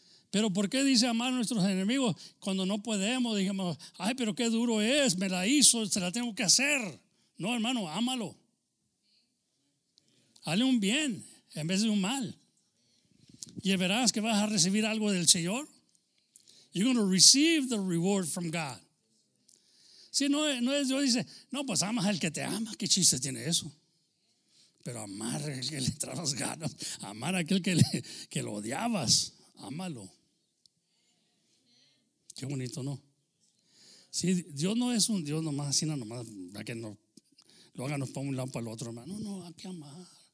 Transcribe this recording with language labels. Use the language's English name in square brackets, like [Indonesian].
[Spanish] Pero ¿por qué dice amar a nuestros enemigos? Cuando no podemos, dijimos, ay, pero qué duro es, me la hizo, se la tengo que hacer. No, hermano, ámalo. Hale un bien en vez de un mal. Y verás que vas a recibir algo del Señor. [English] You're going to receive the reward from God. [Spanish] Si no, no es Dios, dice, no, pues amas al que te ama. ¿Qué chiste tiene eso? Pero amar al que le trabas ganas, amar a aquel que lo odiabas, ámalo. Qué bonito, ¿no? Si Dios no es un Dios nomás así, nomás, para que no lo hagan para un lado para el otro, hermano. No, hay que amar.